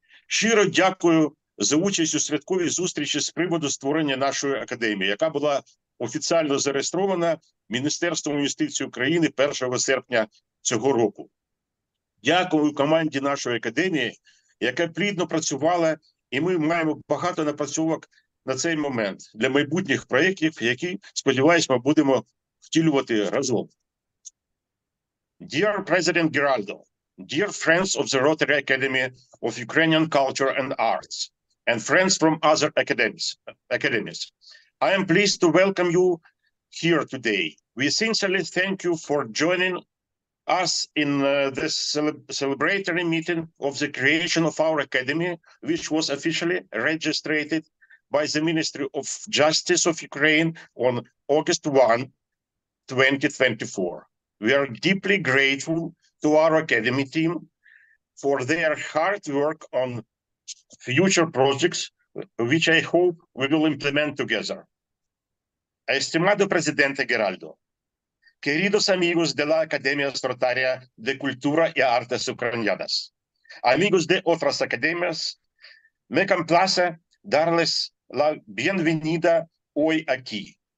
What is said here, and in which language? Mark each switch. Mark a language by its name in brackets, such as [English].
[Ukrainian] Щиро дякую за участь у святковій зустрічі з приводу створення нашої академії, яка була офіційно зареєстрована Міністерством юстиції України 1 серпня цього року. Дякую команді нашої академії, яка плідно працювала, і ми маємо багато напрацьовок на цей момент для майбутніх проєктів, які, сподіваюсь, ми будемо втілювати разом. [English] Dear President Giraldo, dear friends of the Rotary Academy of Ukrainian Culture and Arts, and friends from other academies, I am pleased to welcome you here today. We sincerely thank you for joining us in this celebratory meeting of the creation of our academy, which was officially registered by the Ministry of Justice of Ukraine on August 1, 2024. We are deeply grateful to our academy team for their hard work on future projects, which I hope we will implement together. [Spanish] Estimado Presidente Giraldo, queridos amigos de la Academia Rotaria de Cultura y Artes Ucranianas, amigos de otras academias, me complace darles la bienvenida hoy aquí.